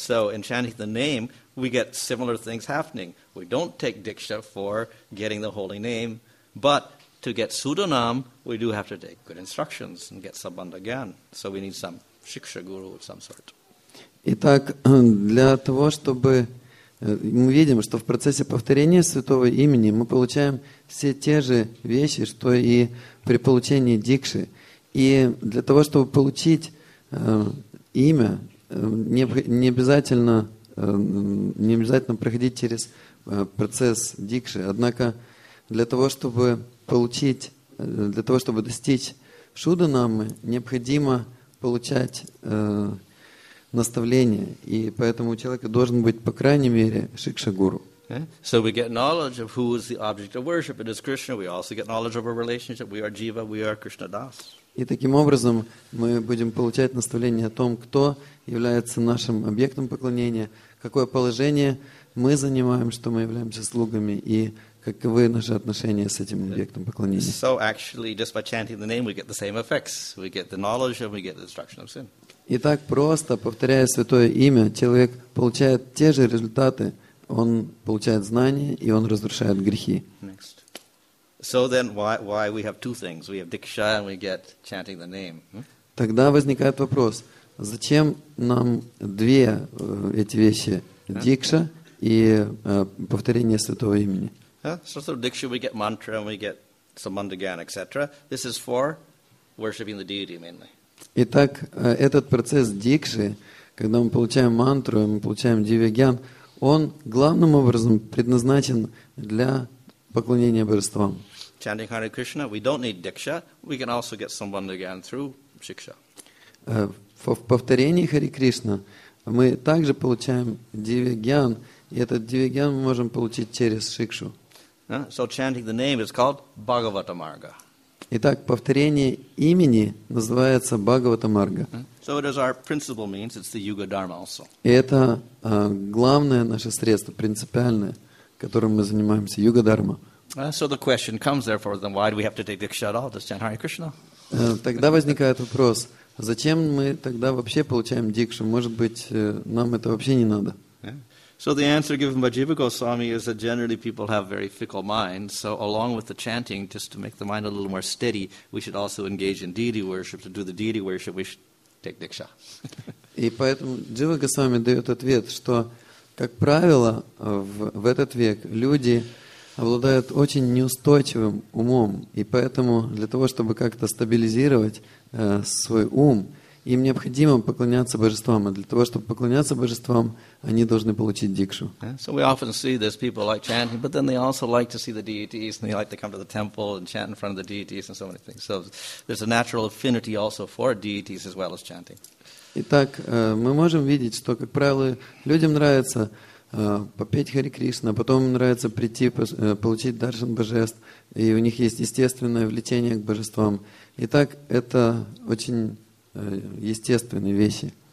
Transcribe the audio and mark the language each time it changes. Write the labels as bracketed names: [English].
[English] So in chanting the name, we get similar things happening. We don't take diksha for getting the holy name, but to get sudanam, we do have to take good instructions and get sabandha gyan. So we need some shiksha guru of some sort. [Russian] Итак, для того, чтобы мы видим, что в процессе повторения святого имени мы получаем все те же вещи, что и при получении дикши. И для того, чтобы получить имя, не обязательно проходить через процесс дикши. Однако для того, чтобы достичь шуданамы, необходимо получать наставление. И поэтому у человека должен быть, по крайней мере, шикша-гуру. [English] Okay. So we get knowledge of who is the object of worship. It is Krishna. We also get knowledge of our relationship. We are Jiva. We are Krishna Das. [Russian] И таким образом мы будем получать наставление о том, кто является нашим объектом поклонения, какое положение мы занимаем, что мы являемся слугами, и каковы наши отношения с этим объектом поклонения. [English] So actually, just by chanting the name, we get the same effects. We get the knowledge and we get the destruction of sin. [Russian] Итак, просто повторяя святое имя, человек получает те же результаты. Он получает знания и он разрушает грехи. [English] Next. So then, why we have two things? We have diksha and we get chanting the name. [Russian] Тогда возникает вопрос: зачем нам две эти вещи, дикша и повторение святого имени? [English] So through diksha we get mantra and we get some mandagan, etc. This is for worshiping the deity mainly. [Russian] Итак, этот процесс дикши, когда мы получаем мантру и мы получаем дивиган, он главным образом предназначен для поклонения божествам. [English] Chanting Hare Krishna, we don't need diksha. We can also get some mandagan through shiksha. [Russian] В повторении Хари Кришна мы также получаем дивиган, и этот дивиган мы можем получить через шикшу. [English] So chanting the name is called Bhagavata Marga. [Russian] Итак, повторение имени называется Бхагавата Марга. [English] So it is our principal means. It's the Yuga Dharma also. [Russian] И это главное наше средство, принципиальное, которым мы занимаемся, Юга Дарма. [English] So the question comes, therefore, then why do we have to take diksha at all to chant Hare Krishna? [Russian] Тогда возникает вопрос. Зачем мы тогда вообще получаем дикшу? Может быть, нам это вообще не надо? [English] Yeah. So the answer given by Jiva Goswami is that generally people have very fickle minds. So along with the chanting, just to make the mind a little more steady, we should also engage in deity worship. To do the deity worship, we should take diksha. [Russian] И поэтому Джива Госвами дает ответ, что Как правило, в этот век люди обладают очень неустойчивым умом, и поэтому для того, чтобы как-то стабилизировать свой ум, им необходимо поклоняться божествам, и для того, чтобы поклоняться божествам, они должны получить дикшу. [English] So we often see this, people like chanting, but then they also like to see the deities, and they like to come to the temple and chant in front of the deities and so many things. So there's a natural affinity also for deities as well as chanting. [Russian] Итак, мы можем видеть, что, как правило, людям нравится попеть Харе Кришна, потом им нравится прийти, получить даршан божеств, и у них есть естественное влечение к божествам. Итак, это очень естественные вещи.